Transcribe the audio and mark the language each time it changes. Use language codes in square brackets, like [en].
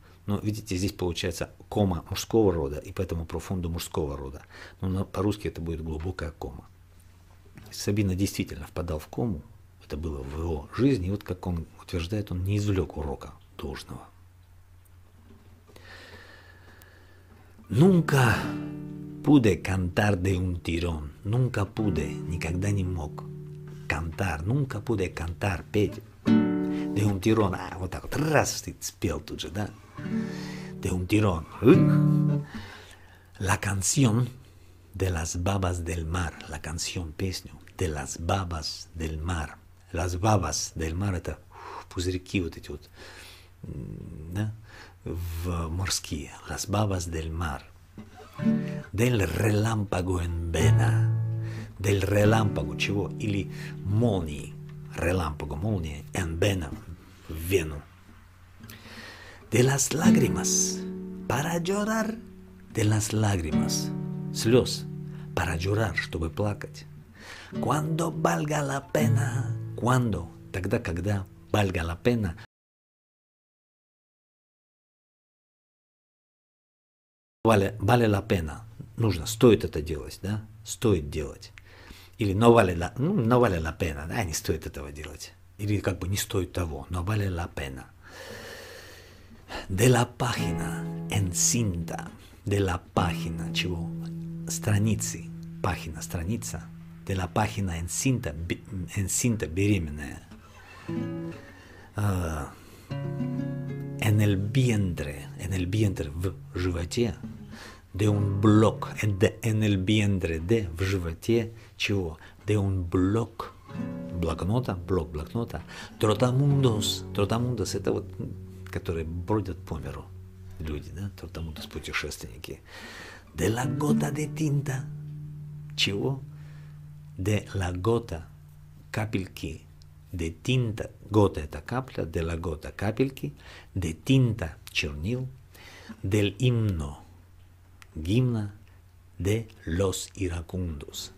[ru] Но видите, здесь получается кома мужского рода, и поэтому профунду мужского рода. Но по-русски это будет глубокая кома. Сабина действительно впадал в кому, это было в его жизни, и вот как он утверждает, он не извлек урока должного. [es] Nunca pude cantar de un tirón. Nunca pude, [ru] никогда не мог [es] cantar. Nunca pude cantar, петь de un tirón. [ru] А, вот так вот, раз, ты спел тут же, да? [es] De un tirón. La canción de las babas del mar. La canción, песню, de las babas del mar. Las babas del mar, [ru] это пузырьки вот эти вот, да? В морские. [es] Las babas del mar. Del relámpago en vena. Del relámpago, чего? [ru] Или молнии. [es] Relámpago, молния. En vena, в вену. De las lágrimas. Para llorar. De las lágrimas. [ru] Слез. [es] Para llorar, [ru] чтобы плакать. [es] Cuando valga la pena. Cuando. Тогда, когда valga la pena. Vale la pena, [ru] нужно, стоит это делать, да, стоит делать. Или [es] no vale la pena, [ru] да, не стоит этого делать. Или как бы не стоит того, [es] no vale la pena. De la página, encinta, de la página, чего? [ru] Страницы, página, страница. [es] De la página, encinta, encinta, [ru] беременная. [es] En el vientre, [ru] в животе. [es] De un blog, en el vientre, de, в животе, чего? De un blog, блокнота, блок блокнота. [ru] Тротамундос, тротамундос, это вот, которые бродят по миру, люди, да, тротамундос, путешественники. [es] De la gota de tinta, чего? De la gota, [ru] капельки, [es] de tinta, gota это капля, de la gota, капельки, de tinta, [ru] чернил, [es] del himno. Гимна de los iracundos.